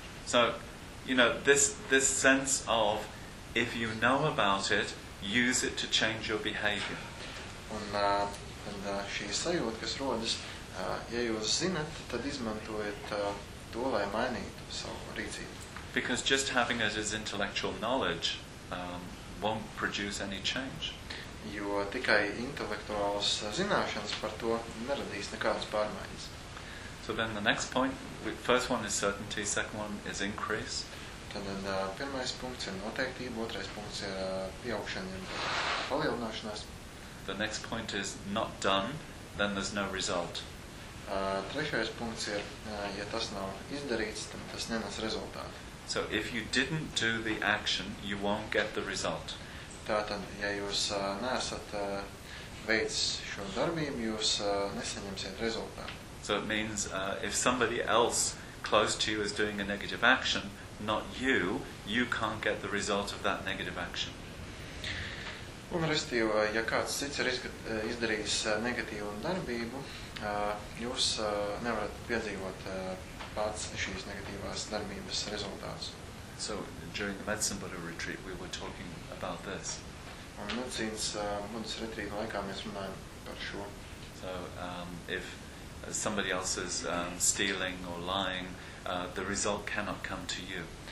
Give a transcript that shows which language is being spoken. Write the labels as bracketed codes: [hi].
[en] So, you know, this sense of if you know about it, use it to change your behavior. [lv] Un šī sajūta, kas rodas, ja jūs zināt, tad izmantojiet to, lai mainītu savu rīcību. [en] Because just having it as intellectual knowledge won't produce any change. [lv] Jo tikai intelektuālas zināšanas par to neradīs nekādas pārmaiņas. [en] So then the next point, first one is certainty, second one is increase. [lv] Tad pirmais punkts ir noteiktība, otrais punkts ir pieaugšana un palielināšanās. [en] The next point is not done, then there's no result. [lv] Trešais punkts ir, ja tas nav izdarīts, tad tas nenes rezultātu. [en] So if you didn't do the action, you won't get the result. [lv] Tātad, ja jūs neesat veicis šo darbību, jūs nesaņemsiet rezultātu. [en] So it means if somebody else close to you is doing a negative action, not you, you can't get the result of that negative action. [lv] Un restīvi, ja kāds cits ir izdarījis negatīvu darbību, jūs nevarat piedzīvot pats šīs negatīvās darbības rezultātus. [en] So during the Medicine Buddha retreat we were talking about this. [lv] Un medicīnas Buddhas retrīta laikā mēs runājam par šo. [en] So if somebody else is stealing or lying, the result cannot come to you.